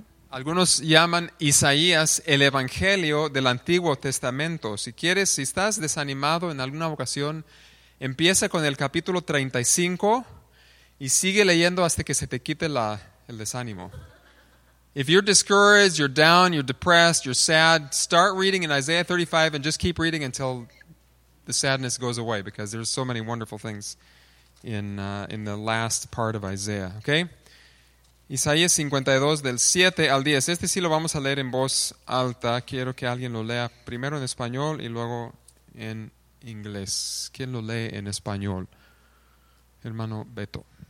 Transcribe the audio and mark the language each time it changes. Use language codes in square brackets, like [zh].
[es] Algunos llaman Isaías el Evangelio del Antiguo Testamento. Si quieres, si estás desanimado en alguna ocasión, empieza con el capítulo 35 y sigue leyendo hasta que se te quite el desánimo. [en] If you're discouraged, you're down, you're depressed, you're sad, start reading in Isaiah 35 and just keep reading until the sadness goes away because there's so many wonderful things in the last part of Isaiah, okay? [es] Isaías 52, del 7 al 10. Este sí lo vamos a leer en voz alta. Quiero que alguien lo lea primero en español y luego en inglés. ¿Quién lo lee en español? Hermano Beto.